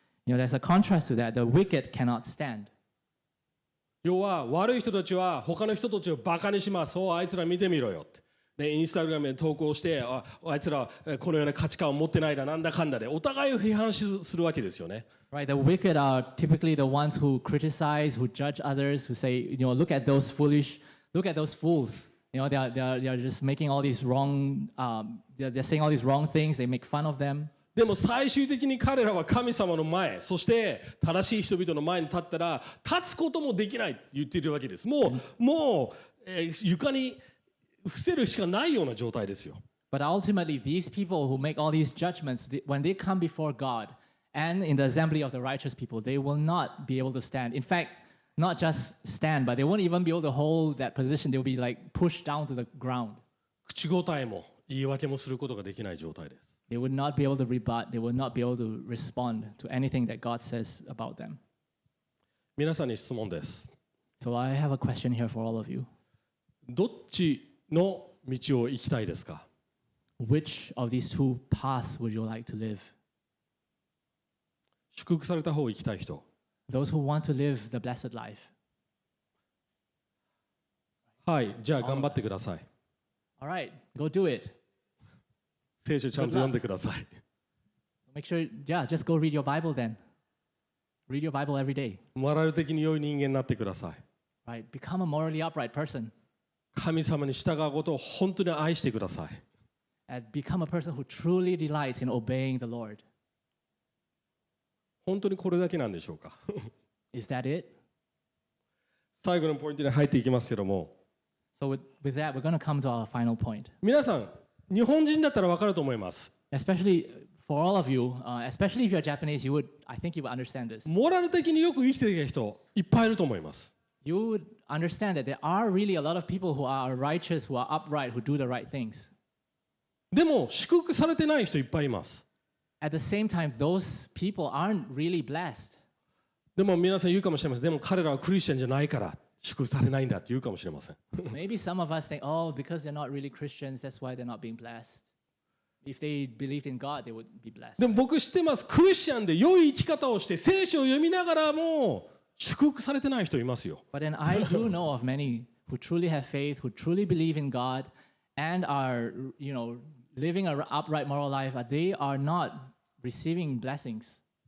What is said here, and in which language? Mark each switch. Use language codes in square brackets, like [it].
[en] You know, there's a contrast to that. The wicked cannot stand. [ja] 要は、悪い人たちは他の人たちをバカにします。あいつら見てみろよって。インスタグラムに投稿して、あいつらこのような価値観を持ってないだ、なんだかんだで、お互いを批判するわけですよね。 [en] Right, the wicked are typically the ones who criticize, who judge others, who say, you know, look at those foolish, look at those fools. You know, they are just making all these wrong, they're saying all these wrong things. They make fun of them. [ja] でも最終的に彼らは神様の前、そして正しい人々の前に立ったら、立つこともできないって言っているわけです。もう床に伏せるしかないような状態ですよ。 [en] But ultimately, these people who make all these judgments, when they come before God,And in the assembly of the righteous people, they will not be able to stand. In fact, not just stand, but they won't even be able to hold that position. They'll be like pushed down to the ground. [ja] 口答えも言い訳もすることができない状態です。 [en] They will not be able to rebut. They will not be able to respond to anything that God says about them. [ja] 皆さんに質問です。 [en] So I have a question here for all of you. [ja] どっちの道を行きたいですか? [en] Which of these two paths would you like to live? [ja] 祝福された方を生きたい人。 [en] Those who want to live the blessed life. [ja] はい、じゃあ頑張ってください。 [en] All right, go do it. [ja] 聖書ちゃんと読んでください。 [en] Make sure, yeah, just go read your Bible then. Read your Bible every day. [ja] モラル的に良い人間になってください。 [en] Right, become a morally upright person. [ja] 神様に従うことを本当に愛してください。 [en] And become a person who truly delights in obeying the Lord. [ja] 本当にこれだけなんでしょうか? [en] Is that it? [ja] 最後のポイントに入っていきますけども。 [en] So with that, we're going to come to our final point. [ja] 皆さん、日本人だったら分かると思います。 [en] Especially for all of you, especially if you're Japanese, you would, I think you would understand this. [ja] モラル的によく生きている人、いっぱいいると思います。 [en] You would understand that there are really a lot of people who are righteous, who are upright, who do the right things. [ja] でも祝福されてない人いっぱいいます。 [en] At the same time, those people aren't really blessed. [ja] でも皆さん言うかもしれません。でも彼らはクリスチャンじゃないから祝福されないんだって言うかもしれません。 [en] Maybe some of us think, oh, because they're not really Christians, that's why they're not being blessed. If they believed in God, they would be blessed. [ja] でも僕知ってます。クリスチャンで良い生き方をして聖書を読みながらも祝福されてない人いますよ。 [en] But then I do know of many who truly have faith, who truly believe in God. And are you know living an upright moral life, but they are not receiving blessings